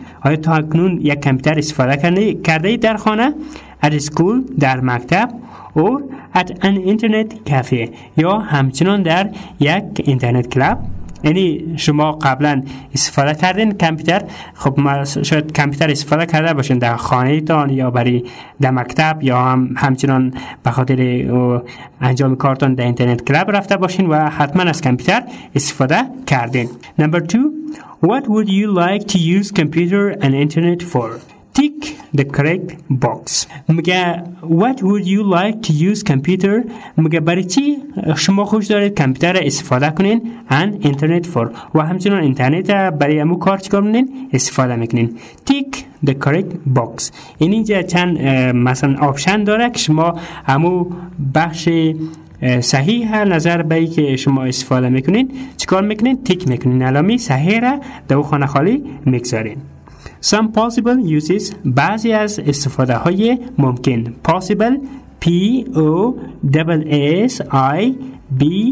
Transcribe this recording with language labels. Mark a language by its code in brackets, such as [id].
[fa] آیا تا اکنون یک کامپیوتر استفاده کرده در خانه [en] at school [fa] در مکتب [en] or at an internet cafe [fa] یا همچنان در یک اینترنت کلاب یعنی شما قبلا استفاده کردین کامپیوتر خب شاید کامپیوتر استفاده کرده باشین در خانه تان یا برای در مکتب یا همچنان به خاطر انجام کارتان در اینترنت کلاب رفته باشین و حتما از کامپیوتر استفاده کردین نمبر 2 [en] What would you like to use computer and internet for? Tick the correct box. [fa] مگه [en] what would you like to use computer? [fa] مگه برای چی شما خوش دارید کامپیوتر استفاده کنین [en] and internet for. [fa] و همچنان اینترنت برای امو کار چیکار می‌کنین استفاده می‌کنین. [en] Tick the correct box. [fa] این اینجا چند مثلا آپشن داره که شما امو بخش صحیح نظر به ای که شما استفاده میکنین چیکار میکنین تیک میکنین علامه صحیح را در خانه خالی میگذارین [en] some possible uses [fa] بعضی از استفاده های ممکن [en] possible p o double s i b